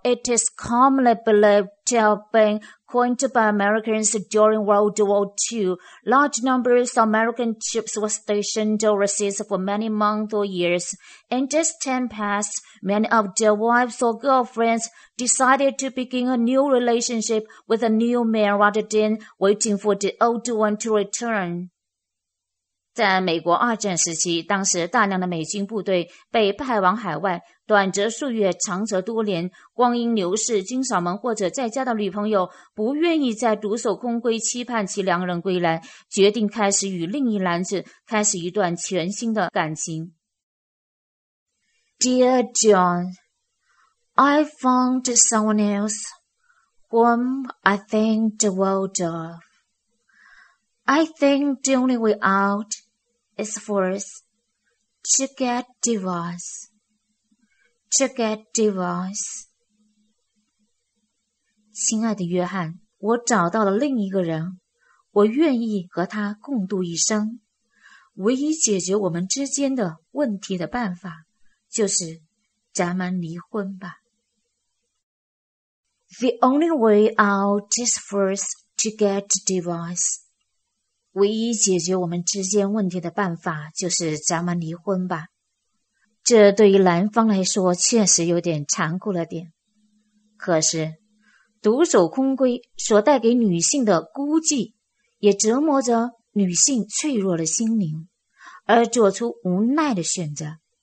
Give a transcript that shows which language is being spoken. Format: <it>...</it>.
<en>It is commonly believed to have beencoined by Americans during World War II, large numbers of American troops were stationed overseas for many months or years. In this time past, many of their wives or girlfriends decided to begin a new relationship with a new man rather than waiting for the old one to return.</en> <zh>在美国二战时期，当时大量的美军部队被派往海外，短则数月，长则多年，光阴流逝，军嫂们或者在家的女朋友不愿意再独守空闺期盼其良人归来，决定开始与另一男子开始一段全新的感情。</zh> <en>Dear John, I found someone else whom I think the world of. I think the only way out is for us to get divorced. To get divorced.</en> <zh>亲爱的约翰，我找到了另一个人，我愿意和他共度一生。唯一解决我们之间的问题的办法，就是咱们离婚吧。</zh> <en>The only way out is for us to get divorced.</en> <zh>唯一解决我们之间问题的办法，就是咱们离婚吧。这对于男方来说确实有点残酷了点，可是独守空闺所带给女性的孤寂也折磨着女性脆弱的心灵，而做出无奈的选择。</zh>